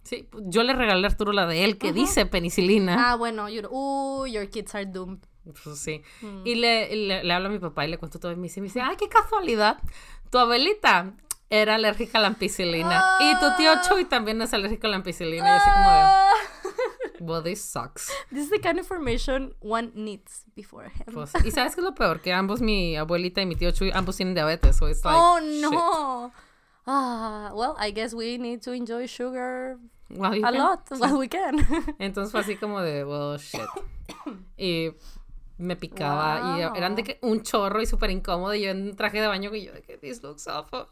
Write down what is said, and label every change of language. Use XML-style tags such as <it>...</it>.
<es>Sí, yo le regalé a Arturo la de él que uh-huh. dice penicilina. Ah, bueno,</es> <en>your kids are doomed.</en> <es>Pues sí. Y le hablo a mi papá y le cuento todo. Y me dice, ay, qué casualidad. Tu abuelita era alérgica a la ampicilina. Y tu tío Chuy también es alérgico a la ampicilina. Y así como de...</es> <en>Well, this sucks. This is the kind of information one needs beforehand.</en> <es>Pues, ¿y sabes qué es lo peor? Que ambos, mi abuelita y mi tío Chuy, ambos tienen diabetes.</es> <en>So it's like, oh, no. Shit. Well, I guess we need to enjoy sugar lot while we can.</en> <es>Entonces fue así como de,</es> <en>well, shit.</en> <es>Y me picaba. Wow. Y eran de que un chorro y súper incómodo. Y yo en un traje de baño y yo de que</es> <en>this looks awful.</en>